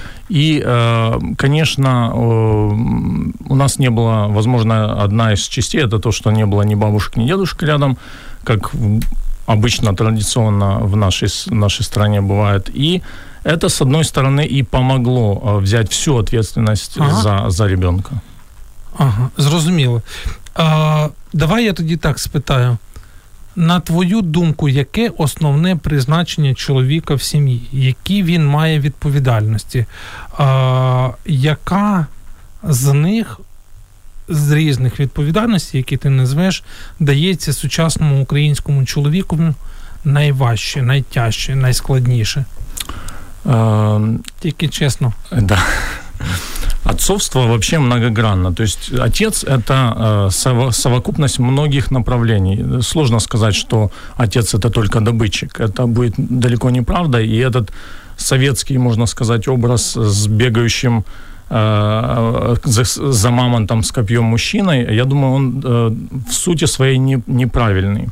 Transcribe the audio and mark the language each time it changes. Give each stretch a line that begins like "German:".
Russian: И, конечно, у нас не было, возможно, одна из частей, это то, что не было ни бабушек, ни дедушек рядом, как обычно, традиционно в нашей стране бывает. И это, с одной стороны, и помогло взять всю ответственность за ребенка.
Ukrainian: Ага, зрозуміло. Давай я тоді так спитаю. На твою думку, яке основне призначення чоловіка в сім'ї? Які він має відповідальності? Яка з них, з різних відповідальностей, які ти назвеш, дається сучасному українському чоловікові найважче, найтяжче, найскладніше? Тільки чесно. Так. Да.
Russian: Отцовство вообще многогранно. То есть отец – это совокупность многих направлений. Сложно сказать, что отец – это только добытчик. Это будет далеко не правда. И этот советский, можно сказать, образ с бегающим за мамонтом с копьем мужчиной, я думаю, он в сути своей неправильный.